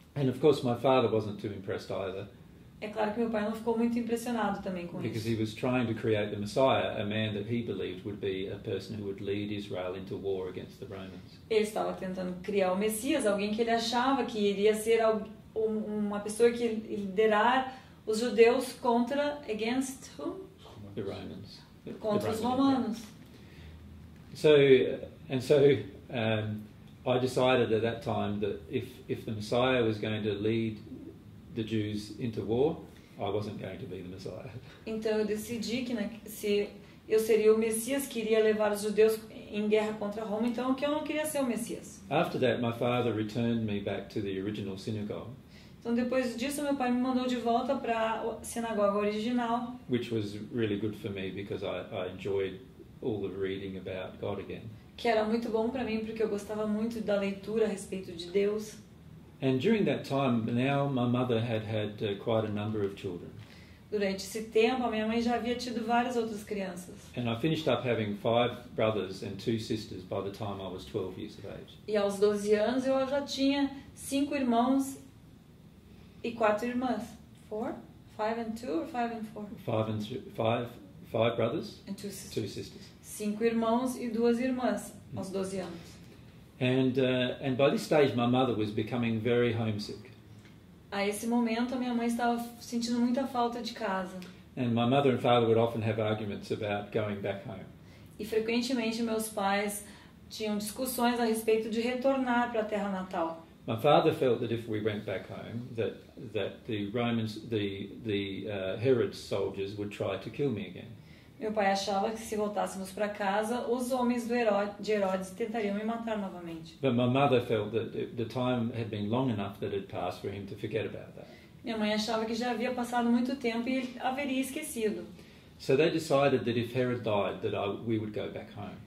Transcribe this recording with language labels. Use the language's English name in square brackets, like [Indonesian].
[English] And of course my father wasn't too impressed either. [Portuguese] É claro que meu pai não ficou muito impressionado também com [English] because [Portuguese] isso. [English] He was trying to create the Messiah, a man that he believed would be a person who would lead Israel into war against the Romans. [Portuguese] Ele estava tentando criar o Messias, alguém que ele achava que iria ser uma pessoa que liderar os judeus contra [English] against whom? The Romans. [Portuguese] Contra os romanos. [English] So And so I decided at that time that if the Messiah was going to lead the Jews into war, I wasn't going to be the Messiah. [Portuguese] Então eu decidi que se eu seria o Messias que iria levar os judeus em guerra contra Roma, então que eu não queria ser o Messias. [English] After that, my father returned me back to the original synagogue. [Portuguese] Então depois disso meu pai me mandou de volta para a sinagoga original. [English] Which was really good for me because I enjoyed all the reading about God again. [Portuguese] Que era muito bom para mim porque eu gostava muito da leitura a respeito de Deus. [English] And during that time, now my mother had quite a number of children. [Portuguese] Durante esse tempo, a minha mãe já havia tido várias outras crianças. [English] And I finished up having 5 brothers and 2 sisters by the time I was 12 years of age. [Portuguese] E aos 12 anos eu já tinha 5 irmãos e 4 irmãs. [English] 4? 5 and 2 or 5 and 4? 5 and 5 brothers and 2 sisters. 2 sisters. [Portuguese] 5 irmãos e 2 irmãs aos 12 anos. [English] And by this stage my mother was becoming very homesick. [Portuguese] A esse momento a minha mãe estava sentindo muita falta de casa. [English] And my mother and father would often have arguments about going back home. [Portuguese] E frequentemente meus pais tinham discussões a respeito de retornar para a terra natal. [English] My father felt that if we went back home that the Romans the Herod's soldiers would try to kill me again. [Portuguese] Meu pai achava que se voltássemos para casa, os homens de Herodes tentariam me matar novamente. [English] But my mother felt that the time had been long enough that it passed for him to forget about that. [Portuguese] Minha mãe achava que já havia passado muito tempo e ele haveria esquecido. [English] So they decided that if Herod died, that we would go back home.